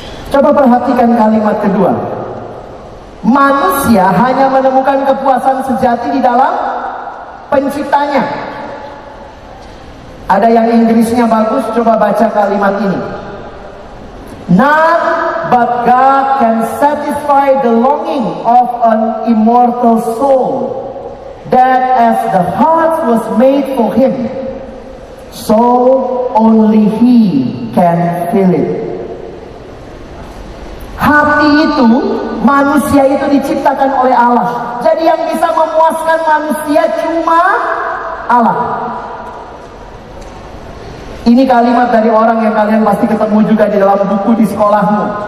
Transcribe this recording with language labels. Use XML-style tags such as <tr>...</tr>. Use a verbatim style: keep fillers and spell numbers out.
<id>Coba perhatikan kalimat kedua. Manusia hanya menemukan kepuasan sejati di dalam penciptanya. Ada yang Inggrisnya bagus, coba baca kalimat ini.</id> <en>None but God can satisfy the longing of an immortal soul, that as the heart was made for him, so only he can fill it.</en> <id>Hati itu, manusia itu diciptakan oleh Allah. Jadi yang bisa memuaskan manusia cuma Allah. Ini kalimat dari orang yang kalian pasti ketemu juga di dalam buku di sekolahmu.</id>